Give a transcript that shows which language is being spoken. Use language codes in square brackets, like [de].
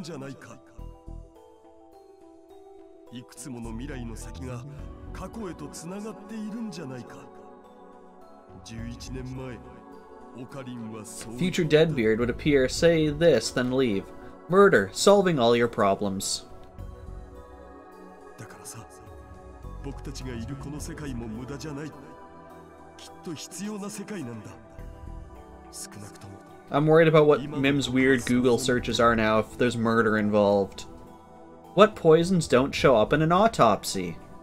[ja] いくつもの未来の先が過去へとつながっているんじゃないか。 11年前、オカリンはそう。 [en] Future Deadbeard would appear, say this, then leave. Murder, solving all your problems. [ja] だからさ、僕たちがいるこの世界も無駄じゃない。きっと必要な世界なんだ。少なくとも。 [en] I'm worried about what Mim's weird Google searches are now if there's murder involved. What poisons don't show up in an autopsy?